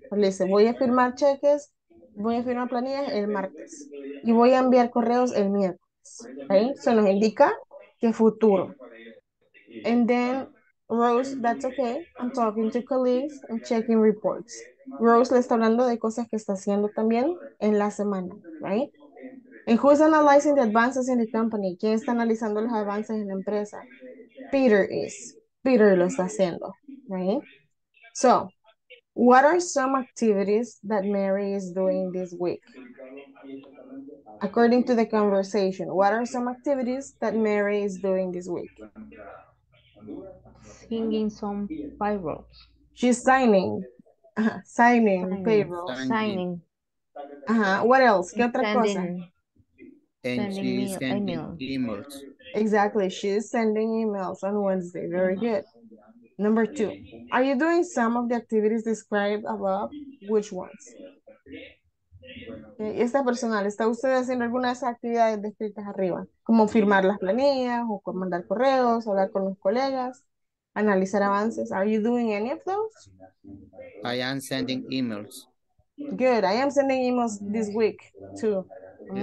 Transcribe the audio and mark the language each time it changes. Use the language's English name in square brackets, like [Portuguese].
[Spanish] Le dice, voy a firmar cheques, voy a firmar planillas el martes. Y voy a enviar correos el miércoles. ¿Okay? Eso nos indica que futuro. [English] And then, Rose, that's okay. I'm talking to colleagues and checking reports. [Spanish] Rose le está hablando de cosas que está haciendo también en la semana. [English] Right? And who's analyzing the advances in the company? [Spanish] ¿Quién está analizando los avances en la empresa? [English] Peter is. [Spanish] Peter lo está haciendo, right? [English] So, what are some activities that Mary is doing this week? According to the conversation, what are some activities that Mary is doing this week? Signing some payroll. She's signing. Signing payroll. Signing. What else? [Spanish] ¿Qué otra cosa? [English] And she's sending emails. Exactly. She's sending emails on Wednesday. Very good. Number two, are you doing some of the activities described above? Which ones? [Spanish] Esta persona, ¿está usted haciendo alguna de esas actividades descritas arriba? Como firmar las planillas, o mandar correos, hablar con los colegas, analizar avances. [English] Are you doing any of those? I am sending emails. Good. I am sending emails this week, too. Yes.